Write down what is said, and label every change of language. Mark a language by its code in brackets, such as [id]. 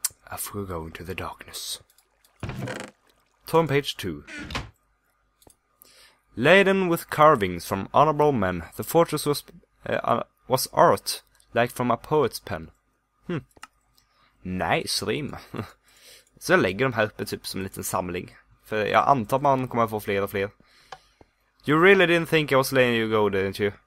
[en] I've got going to the darkness. Tome page 2. Laden with carvings from honorable men, the fortress was art, like from a poet's pen. Hmm. Nice rim. [sv] Så jag lägger dem här uppe typ som en liten samling. För jag antar man kommer få fler och fler. [en] You really didn't think I was letting you go, didn't you?